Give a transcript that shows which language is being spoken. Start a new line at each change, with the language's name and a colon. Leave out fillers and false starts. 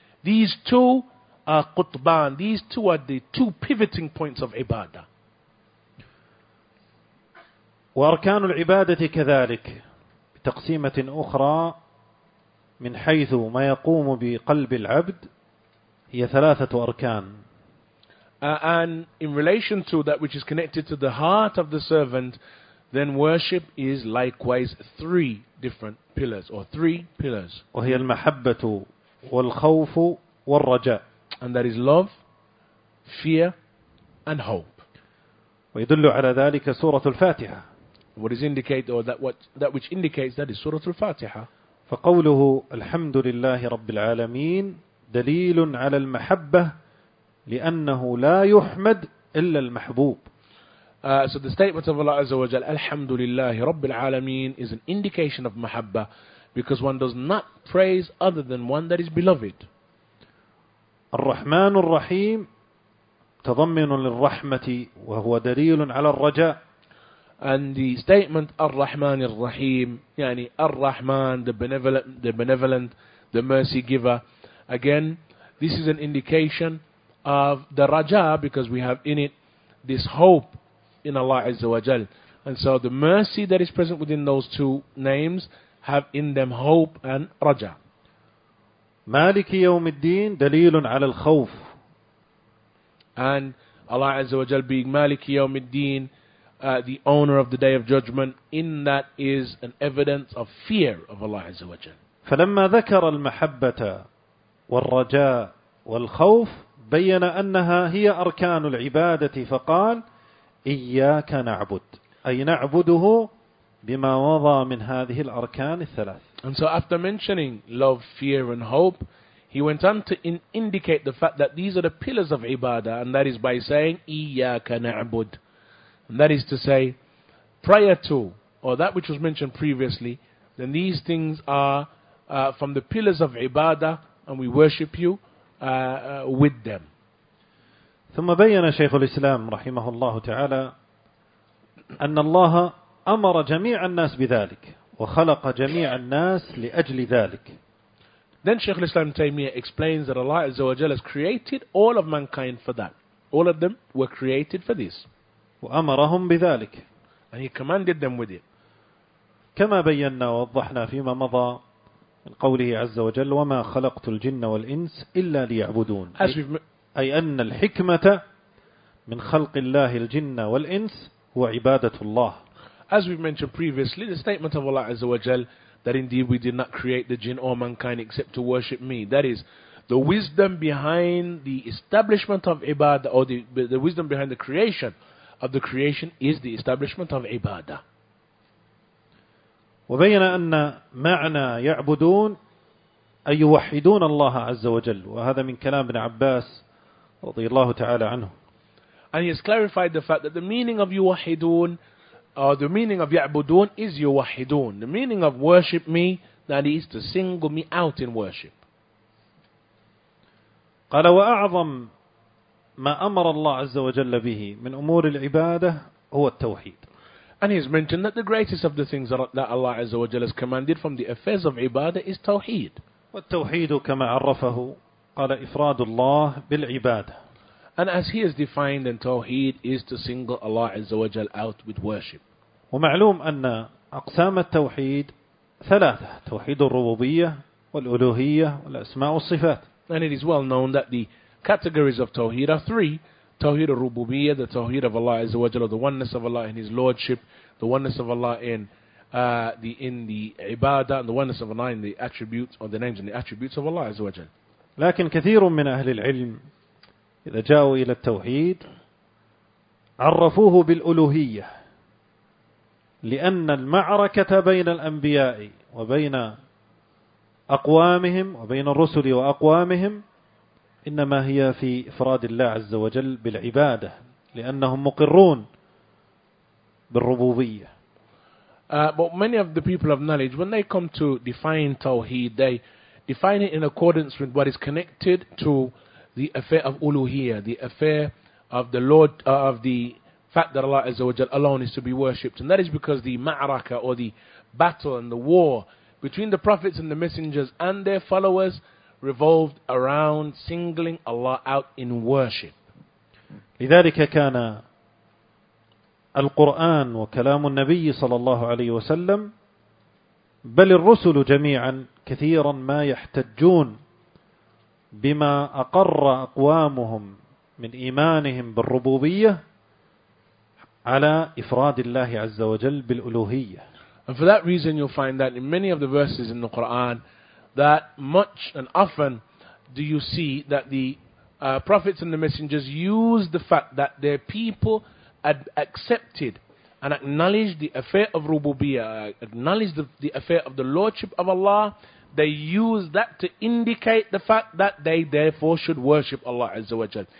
English: These two are qutban, these two are the two pivoting points of ibadah.
Arabic: واركان العباده كذلك بتقسيمه اخرى من حيث ما يقوم بقلب العبد هي ثلاثه اركان.
English: And in relation to that which is connected to the heart of the servant, then worship is likewise three different pillars or three pillars.
Arabic: وهي المحبة والخوف والرجاء.
English: And that is love, fear, and hope.
Arabic: ويدل على ذلك سورة الفاتحة.
English: What is indicated or that which indicates that is سورة الفاتحة.
Arabic: فقوله الحمد لله رب العالمين دليل على المحبة لأنه لا يحمد إلا المحبوب.
English: So the statement of Allah Azza wa Jal,
Arabic: Alhamdulillahi Rabbil Alameen,
English: is an indication of mahabba, because one does not praise other than one that is beloved.
Arabic: الرحمن الرحيم تضمن للرحمة وهو دليل على الرجاء.
English: And the statement
Arabic: الرحمن الرحيم, يعني الرحمن,
English: the benevolent, the mercy giver, again, this is an indication of the Raja, because we have in it this hope in Allah Azza wa Jal. And so the mercy that is present within those two names have in them hope and Raja.
Arabic: Maliki yawm al-deen dalilun ala al-khawf.
English: And Allah Azza wa Jal being
Arabic: Maliki yawm al-deen,
English: the owner of the Day of Judgment, in that is an evidence of fear of Allah Azza wa Jal.
Arabic: فَلَمَّا ذَكَرَ الْمَحَبَّةَ وَالرَّجَاءَ وَالْخَوْفَ بين أنها هي أركان العبادة فقال إياك نعبد, أي نعبده بما وضع من هذه الأركان الثلاث.
English: And so after mentioning love, fear and hope, he went on to indicate the fact that these are the pillars of ibadah, and that is by saying
Arabic: إياك نعبد.
English: And that is to say, prior to, or that which was mentioned previously, then these things are from the pillars of ibadah, and we worship you with them.
Arabic: ثم بين شيخ الإسلام رحمه الله تعالى أن الله أمر جميع الناس بذلك وخلق جميع الناس لأجل ذلك.
English: Then Sheikh Islam Taymiyyah explains that Allah Azza wa Jalla has created all of mankind for that. All of them were created for this.
Arabic: وأمرهم بذلك.
English: And he commanded them with it.
Arabic: كما بينا ووضحنا فيما مضى من قوله عز وجل وما خلقت الجن والإنس إلا ليعبدون, أي أن الحكمة من خلق الله الجن والإنس هو عبادة الله.
English: As we've mentioned previously, the statement of Allah Azza wa Jal that indeed we did not create the jinn or mankind except to worship me. That is, the wisdom behind the establishment of ibadah, or the wisdom behind the creation of the creation, is the establishment of ibadah.
Arabic: وبين أن معنى يعبدون أي يوحدون الله عز وجل, وهذا من كلام ابن عباس رضي الله تعالى عنه.
English: And he has clarified the fact that the meaning of يوحدون, or the meaning of يعبدون, is يوحدون. The meaning of worship me, that is to single me out in worship.
Arabic: قال وأعظم ما أمر الله عز وجل به من أمور العبادة هو التوحيد.
English: And he has mentioned that the greatest of the things that Allah Azza wa Jalla has commanded from the affairs of ibadah is tawheed.
Arabic: والتوحيد كما عرفه قال إفراد الله بالعبادة.
English: And as he has defined, then tawheed is to single Allah Azza wa Jalla out with worship.
Arabic: ومعلوم أن أقسام التوحيد ثلاثة, توحيد الربوبية والألوهية والأسماء والصفات.
English: And it is well known that the categories of tawheed are three. Tawheed al-Rububiyyah, the Tawheed of Allah Azza wa Jalla, the oneness of Allah in His Lordship, the oneness of Allah in the Ibadah, and the oneness of Allah in the attributes, or the names and the attributes of Allah Azza wa Jalla.
Arabic: لكن كثير من أهل العلم إذا جاءوا إلى التوحيد عرفوه بالألوهية, لأن المعركة بين الأنبياء وبين أقوامهم وبين الرسل وأقوامهم إنما هي في إفراد الله عز وجل بالعبادة, لأنهم مقرون بالربوبية.
English: But many of the people of knowledge, when they come to define Tawheed, they define it in accordance with what is connected to the affair of Uluhiyya, the affair of the Lord, of the fact that Allah Azza wa Jal alone is to be worshipped. And that is because the ma'raka, or the battle and the war between the prophets and the messengers and their followers, revolved around singling Allah out in worship.
Arabic: لذلك كان القرآن وكلام النبي صلى الله عليه وسلم بل الرسل جميعا كثيرا ما يحتجون بما أقر أقوامهم من إيمانهم بالربوبية على إفراد الله عز وجل بالألوهية.
English: And for that reason you'll find that in many of the verses in the Quran that much and often do you see that the prophets and the messengers use the fact that their people had accepted and acknowledged the affair of Rububiyyah, acknowledged the affair of the Lordship of Allah, they use that to indicate the fact that they therefore should worship Allah Azza wa Jal.